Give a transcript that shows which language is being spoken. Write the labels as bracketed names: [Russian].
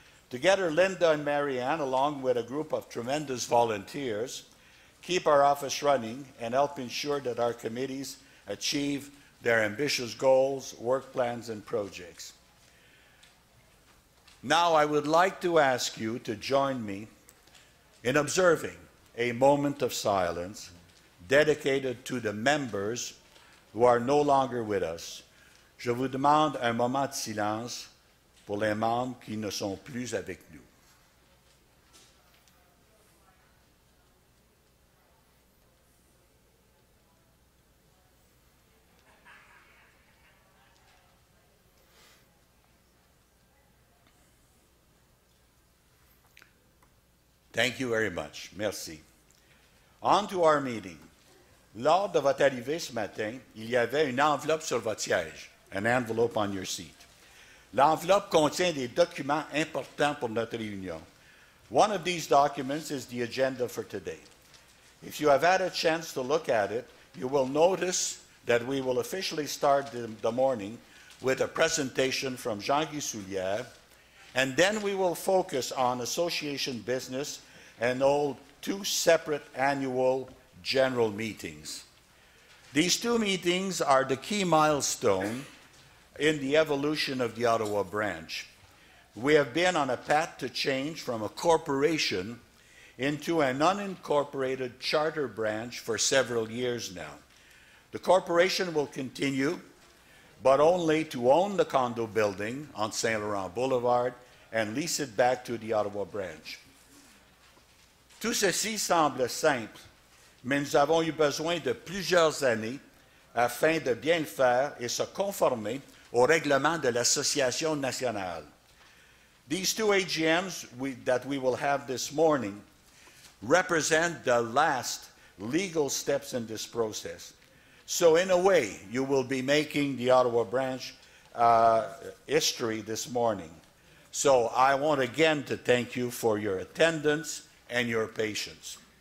[English] Together, Linda and Mary Ann, along with a group of tremendous volunteers, keep our office running and help ensure that our committees achieve their ambitious goals, work plans, and projects. Now, I would like to ask you to join me in observing a moment of silence dedicated to the members who are no longer with us. [French] Je vous demande un moment de silence pour les membres qui ne sont plus avec nous. [English] Thank you very much. [French] Merci. [English] On to our meeting. [French] Lors de votre arrivée ce matin, il y avait une enveloppe sur votre siège, [English] an envelope on your seat. [French] L'enveloppe contient des documents importants pour notre réunion. [English] One of these documents is the agenda for today. If you have had a chance to look at it, you will notice that we will officially start the morning with a presentation from Jean-Guy Soulière, and then we will focus on association business and hold two separate annual general meetings. These two meetings are the key milestone in the evolution of the Ottawa branch. We have been on a path to change from a corporation into an unincorporated charter branch for several years now. The corporation will continue, but only to own the condo building on St. Laurent Boulevard and lease it back to the Ottawa branch. [French] Tout ceci semble simple, mais nous avons eu besoin de plusieurs années afin de bien le faire et se conformer au règlement de l'Association nationale. [English] These two AGMs that we will have this morning represent the last legal steps in this process. So in a way, you will be making the Ottawa branch history this morning. So I want again to thank you for your attendance and your patience.